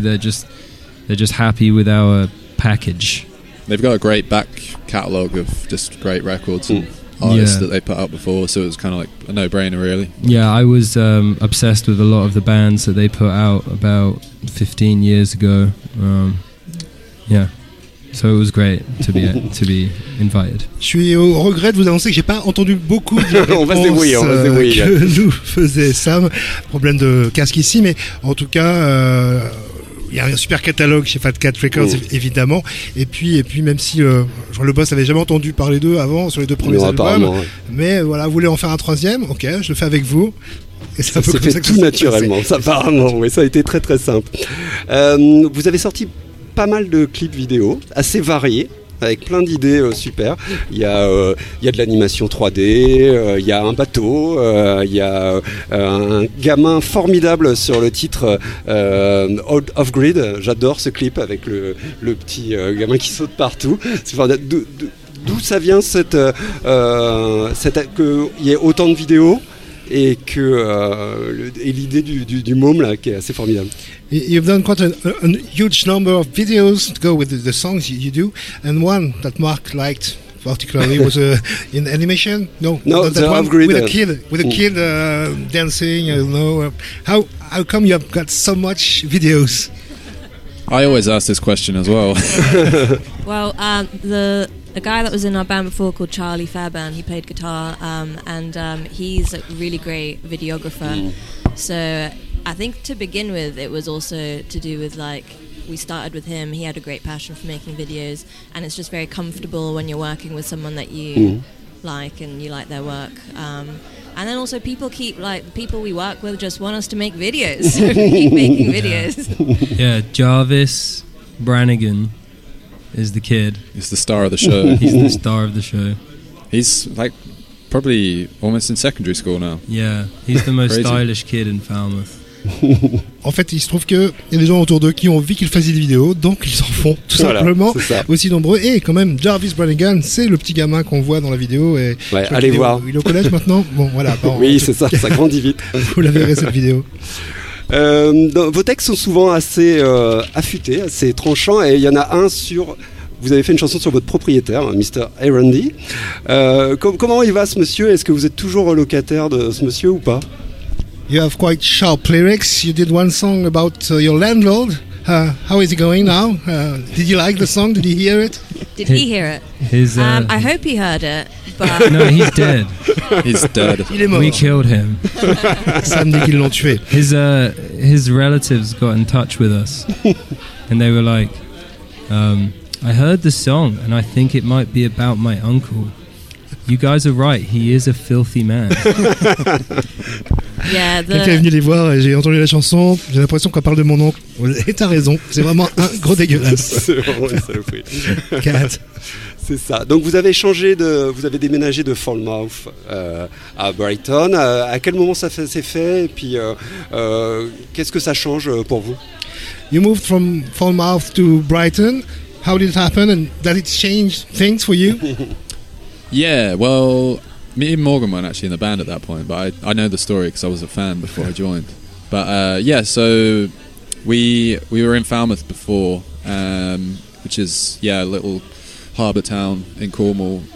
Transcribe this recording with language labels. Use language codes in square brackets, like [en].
[en] They're just happy with our package. They've got a great back catalogue of just great records. Mm. Artists, yeah, that they put out before, so it was kind of like a no-brainer, really. Yeah, I was obsessed with a lot of the bands that they put out about 15 years ago. So it was great to be invited. [fr] Je suis au regret de vous annoncer que j'ai pas entendu beaucoup de réponses que nous faisait Sam. Problème de casque ici, mais en tout cas. Il y a un super catalogue chez Fat Cat Records, évidemment. Et puis même si le boss n'avait jamais entendu parler d'eux avant, sur les 2 premiers albums. Ouais. Mais voilà, vous voulez en faire un 3e? Ok, je le fais avec vous. Et ça s'est fait tout naturellement, apparemment. Oui, ça a été très très simple. Vous avez sorti pas mal de clips vidéo, assez variés. avec plein d'idées super. Il y a de l'animation 3D, il y a un bateau, il y a un gamin formidable sur le titre Out of Grid. J'adore ce clip avec le petit gamin qui saute partout. C'est formidable. D'où ça vient cette qu'il y ait autant de vidéos et que et l'idée du môme là qui est assez formidable. [en] You've done quite a huge number of videos to go with the songs you do, and one that Mark liked particularly was in animation. No, that one grid, with a kid, kid dancing. I don't know how come you've got so much videos. I always ask this question as well. Well, the guy that was in our band before called Charlie Fairbairn, he played guitar, he's a really great videographer. So I think to begin with, it was also to do with, like, we started with him. He had a great passion for making videos, and it's just very comfortable when you're working with someone that you like and you like their work. And then also people we work with just want us to make videos. So we keep making videos. Yeah, Jarvis Brannigan is the kid. He's the star of the show. He's the star of the show. He's like probably almost in secondary school now. Yeah, he's the most stylish kid in Falmouth. [fr] En fait, il se trouve qu'il y a des gens autour d'eux qui ont envie qu'ils fassent des vidéos, donc ils en font tout simplement aussi nombreux. Et quand même, Jarvis Brannigan, c'est le petit gamin qu'on voit dans la vidéo. Et ouais, allez voir. Il est au collège maintenant. Bon, voilà. Oui, c'est ça, ça grandit vite. Vous la verrez cette vidéo. Vos textes sont souvent assez affûtés, assez tranchants, et il y en a un sur. Vous avez fait une chanson sur votre propriétaire, Mr. Arundy. Comment il va, ce monsieur? Est-ce que vous êtes toujours locataire de ce monsieur ou pas? [en] You have quite sharp lyrics. You did one song about your landlord. How is he going now? Did you like the song? Did he hear it? Did he hear it? I hope he heard it. But no, he's dead. He's dead. [fr] Il est mort. [en] We killed him. [fr] Samedi qu'ils l'ont tué. [en] His relatives got in touch with us, and they were like, "I heard the song, and I think it might be about my uncle. You guys are right. He is a filthy man." Yeah, [fr] quelqu'un est venu les voir et j'ai entendu la chanson. J'ai l'impression qu'on parle de mon oncle. Et t'as raison, c'est vraiment un gros dégueulasse. C'est vraiment une saloperie. C'est ça. Donc vous avez changé de. Vous avez déménagé de Falmouth à Brighton. À quel moment ça s'est fait? Et puis qu'est-ce que ça change pour vous? [en] You moved from Falmouth to Brighton. How did it happen and did it change things for you? Yeah, well. Me and Morgan weren't actually in the band at that point, but I know the story because I was a fan before I joined. But so we were in Falmouth before, which is, yeah, a little harbour town in Cornwall.